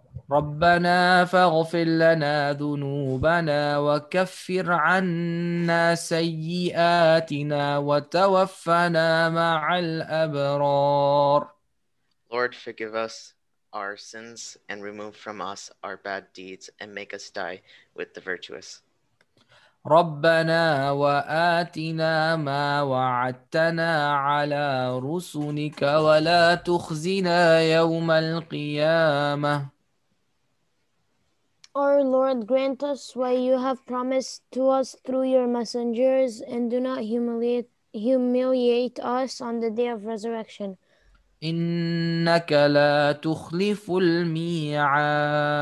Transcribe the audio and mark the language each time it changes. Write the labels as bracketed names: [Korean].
[Arabic] رَبَّنَا فَاغْفِرْ لَنَا ذُنُوبَنَا وَكَفِّرْ عَنَّا سَيِّئَاتِنَا وَتَوَفَّنَا مَعَ الْأَبْرَارِ [English] Lord, forgive us our sins and remove from us our bad deeds and make us die with the virtuous. [Arabic] ربنا وآتنا ما وعدتنا على رسلك ولا تخزنا يوم القيامة. [English] Our Lord, grant us what you have promised to us through your messengers, and do not humiliate us on the day of resurrection. [Arabic] إنك لا تخلف الميعاد.